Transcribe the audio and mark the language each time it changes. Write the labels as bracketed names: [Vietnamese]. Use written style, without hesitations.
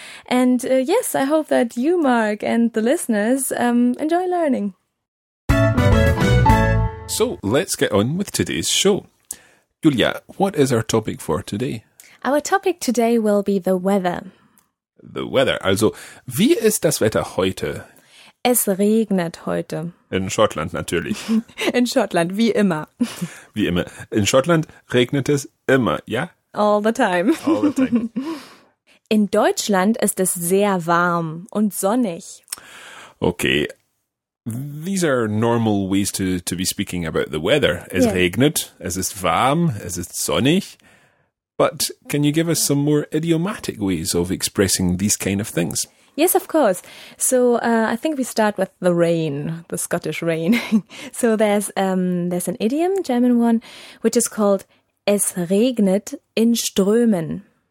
[English] And yes, I hope that you, Mark, and the listeners enjoy learning. So let's get on with today's show. Julia, what is our topic for today? Our topic today will be the weather. The weather. [German] Also, wie ist das Wetter heute? Es regnet heute. In Schottland natürlich. In Schottland, wie immer. Wie immer. In Schottland regnet es immer, ja? [English] All the time. All the time. [German] In Deutschland ist es sehr warm und sonnig. Okay. [English] These are normal ways to be speaking about the weather. [German] Es regnet, es ist warm, es ist sonnig. [English] But can you give us some more idiomatic ways of expressing these kind of things? Yes, of course. So I think we start with the rain, the Scottish rain. So there's an idiom, German one, which is called [German] Es regnet in Strömen.